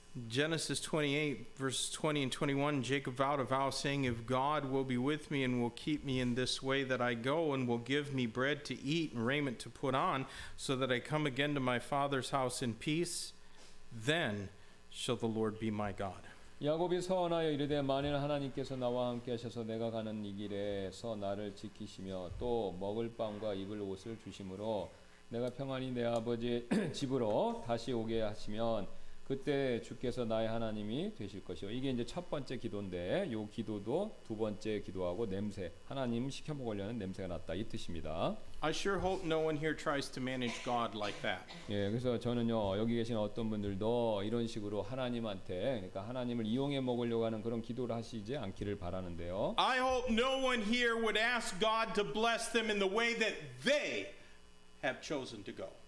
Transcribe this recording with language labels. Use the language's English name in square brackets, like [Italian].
[English] Genesis 28, verses 20 and 21, Jacob vowed a vow, saying, If God will be with me and will keep me in this way that I go, and will give me bread to eat and raiment to put on, so that I come again to my father's house in peace, then shall the Lord be my God. [Korean] 야곱이 서원하여 이르되 만일 하나님께서 나와 함께 하셔서 내가 가는 이 길에서 나를 지키시며 또 먹을 빵과 입을 옷을 주심으로 내가 평안히 내 아버지의 집으로 다시 오게 하시면 그때 주께서 나의 하나님이 되실 것이요. 이게 이제 첫 번째 기도인데 요 기도도 두 번째 기도하고 냄새 하나님 시켜 먹으려는 냄새가 났다 이 뜻입니다. [English] I sure hope no one here tries to manage God like that. [Korean] 예, 그래서 저는요 여기 계신 어떤 분들도 이런 식으로 하나님한테 그러니까 하나님을 이용해 먹으려고 하는 그런 기도를 하시지 않기를 바라는데요. [English] I hope no one here would ask God to bless them in the way that they have chosen to go.